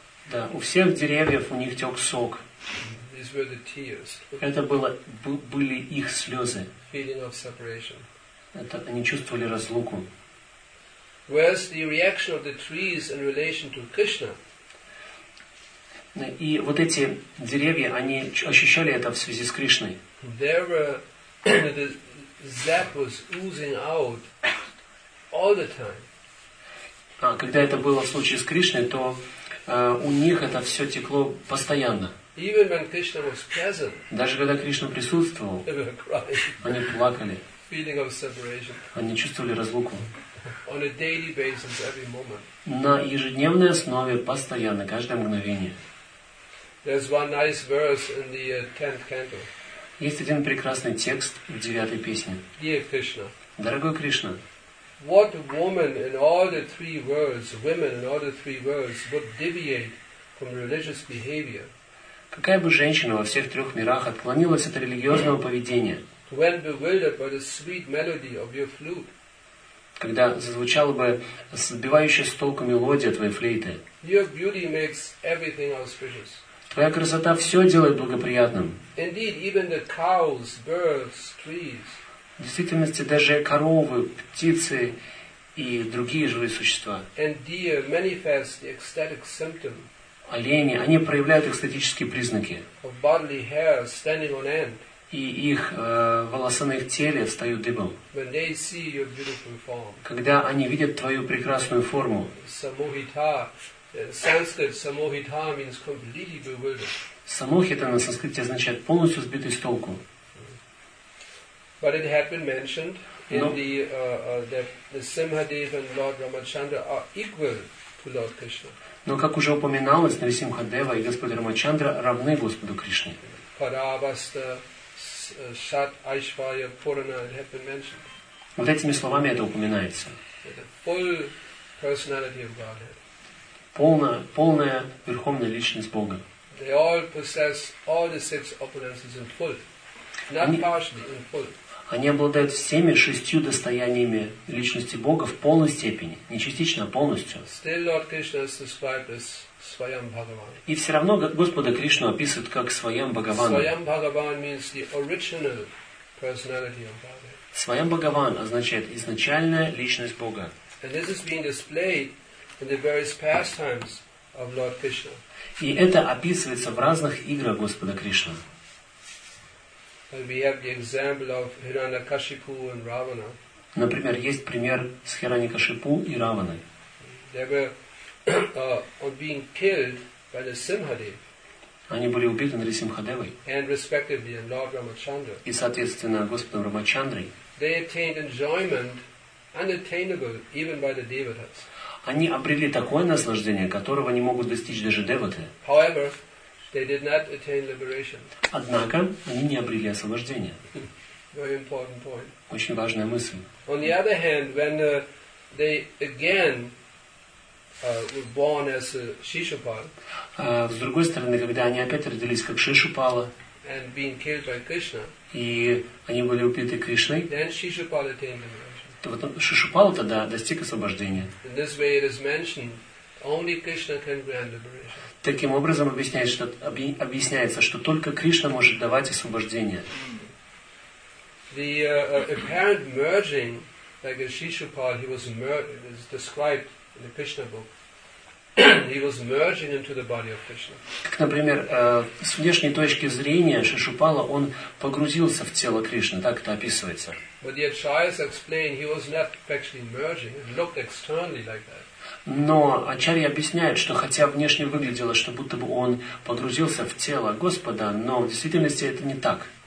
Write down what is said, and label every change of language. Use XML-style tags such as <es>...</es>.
<ru>Да, у всех деревьев у них тек сок.</ru> <en>These were the tears.</en> <ru>Это были их слезы.</ru> <en>Feeling of separation.</en> <ru>Это они чувствовали разлуку.</ru> <en>Where's the reaction of the trees in relation to Krishna?</en> <ru>И вот эти деревья, они ощущали это в связи с Кришной.</ru> <en>There were, the sap was oozing out all the time.</en> <ru>А когда это было в случае с Кришной, то у них это все текло постоянно.</ru> <en>Even when Krishna was present,</en> <ru>даже когда Кришна присутствовал,</ru> <en>they were crying.</en> <ru>Они плакали.</ru> <en>Feeling of separation.</en> <ru>Они чувствовали разлуку.</ru> <en>On a daily basis, every moment.</en> <ru>На ежедневной основе, постоянно, каждое мгновение.</ru> <en>There's one nice verse in the 10th canto.</en> <ru>Есть один прекрасный текст в девятой песне.</ru> <en>Dear Krishna.</en> <ru>Дорогой Кришна.</ru> <en>What woman in all the three worlds, women in all the three worlds, would deviate from religious behavior?</en> <ru>Какая бы женщина во всех трех мирах отклонилась от религиозного поведения?</ru> <en>When bewildered by the sweet melody of your flute.</en> <ru>Когда зазвучала бы сбивающая с толку мелодия твоей флейты.</ru> <en>Your beauty makes everything auspicious.</en> <ru>Твоя красота все делает благоприятным.</ru> <en>Indeed, even the cows, birds, trees.</en> <ru>В действительности, даже коровы, птицы и другие живые существа.</ru> <en>And deer manifest the ecstatic symptom.</en> <ru>Олени, они проявляют экстатические признаки.</ru> <en>Of bodily hair standing on end.</en> <ru>И их волосы на их теле встают дыбом.</ru> <en>When they see your beautiful form.</en> <ru>Когда они видят твою прекрасную форму.</ru> <sa>Samuhita.</sa> <en>Sanskrit samohita means completely bewildered.</en> <ru>Samohita на санскрите означает полностью сбитый с толку.</ru> <en>But it had been mentioned in that the Simhadeva and Lord Ramachandra are equal to Lord Krishna.</en> <ru>Но как уже упоминалось, Нарисимхадева и Господь Рамачандра равны Господу Кришне.</ru> <en>Paravasta, Shat, Aishvaya, Purana, it had been mentioned.</en> <ru>Вот этими словами это упоминается.</ru> <en>The full personality of Godhead.</en> <ru>Полная верховная личность Бога.</ru> <en>They all possess all the six opulences in full, not partially in full.</en> <ru>Они обладают всеми шестью достояниями личности Бога в полной степени, не частично, а полностью.</ru> <en>Still Lord Krishna is described as Svayam Bhagavan.</en> <ru>И все равно Господа Кришну описывают как Svayam Bhagavan.</ru> <en>Svayam Bhagavan means the original personality of Godhead.</en> <ru>Svayam Bhagavan означает изначальная личность Бога.</ru> <en>And this is being displayed in the various pastimes of Lord Krishna.</en> <ru>И это описывается в разных играх Господа Кришны.</ru> <en>We have the example of Hiranyakashipu and Ravana.</en> <ru>Например, есть пример с Хираньякашипу и Раваной.</ru> <en>They were on being killed by the Simhadev.</en> <ru>Они были убиты Нарисимхадевой.</ru> <en>And respectively, and Lord Ramachandra.</en> <ru>И соответственно Господом Рамачандрой.</ru> <en>They attained enjoyment unattainable even by the Devatas.</en> <ru>Они обрели такое наслаждение, которого не могут достичь даже деваты.</ru> <en>However, they did not attain liberation.</en> <ru>Однако, они не обрели освобождение.</ru> <en>Very important point.</en> <ru>Очень важная мысль.</ru> <en>On the other hand, when they again were born as a Shishupala.</en> <ru>С другой стороны, когда они опять родились как Шишупала.</ru> <en>And being killed by Krishna.</en> <ru>И они были убиты Кришной.</ru> <en>Then Shishupala attained liberation.</en> <ru>То вот Шишупал тогда достиг освобождения.</ru> <en>In this way it is mentioned, only Krishna can grant liberation.</en> <ru>Таким образом объясняется, что только Кришна может давать освобождение.</ru> <en>The apparent merging, like a Shishupal, he was merged, is described in the Krishna book. He was merging into the body of Krishna.</en> <ru>Как, например, с внешней точки зрения Шишупала, он погрузился в тело Кришны, так это описывается.</ru> <en>But the Acharyas explain he was not actually merging; it looked externally like that.</en> <ru>Но Ачарьи объясняют, что хотя внешне выглядело, что будто бы он погрузился в тело Господа, но в действительности это не так.</ru>